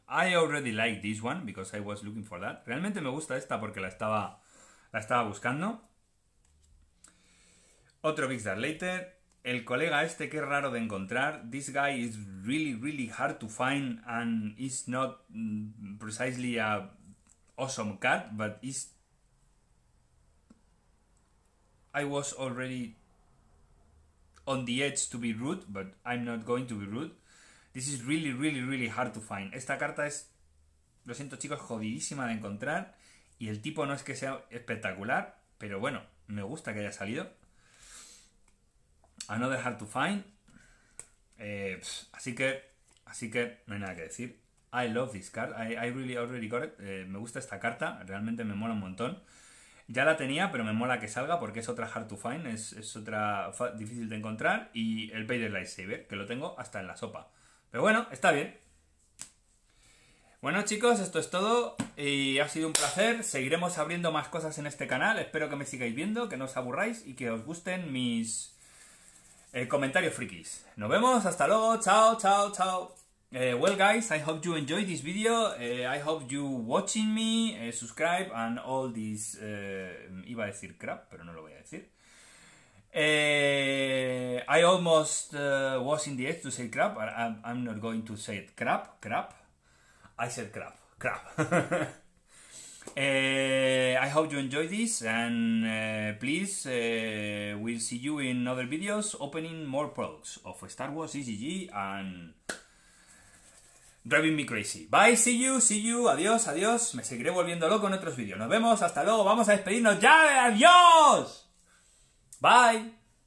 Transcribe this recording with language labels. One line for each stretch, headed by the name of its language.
English: I already like this one because I was looking for that.
Spanish: Realmente me gusta esta porque la estaba buscando. Otro Big Star Later. El colega este, que es raro de encontrar.
English: This guy is really, really hard to find and is not precisely a awesome cat, but is... I was already on the edge to be rude, but I'm not going to be rude. This is really, really, really hard to find.
Spanish: Esta carta es, lo siento chicos, jodidísima de encontrar. Y el tipo no es que sea espectacular, pero bueno, me gusta que haya salido.
English: Another hard to find.
Spanish: Así que no hay nada que decir.
English: I love this card. I really already got it.
Spanish: Me gusta esta carta, realmente me mola un montón. Ya la tenía, pero me mola que salga porque es otra
English: hard to find.
Spanish: Es otra difícil de encontrar. Y el Vader Lightsaber, que lo tengo hasta en la sopa. Pero bueno, está bien. Bueno chicos, esto es todo. Y ha sido un placer. Seguiremos abriendo más cosas en este canal. Espero que me sigáis viendo, que no os aburráis y que os gusten mis comentarios frikis. Nos vemos, hasta luego. Chao, chao, chao.
English: Well guys, I hope you enjoyed this video. I hope you watching me, subscribe and all this...
Spanish: iba a decir crap, pero no lo voy a decir.
English: I almost was in the edge to say crap. I'm not going to say it. Crap. I hope you enjoy this and please we'll see you in other videos opening more products of Star Wars CGG and driving me crazy. Bye, see you, adiós.
Spanish: Me seguiré volviendo loco en otros vídeos. Nos vemos, hasta luego, vamos a despedirnos ya, adiós. Bye.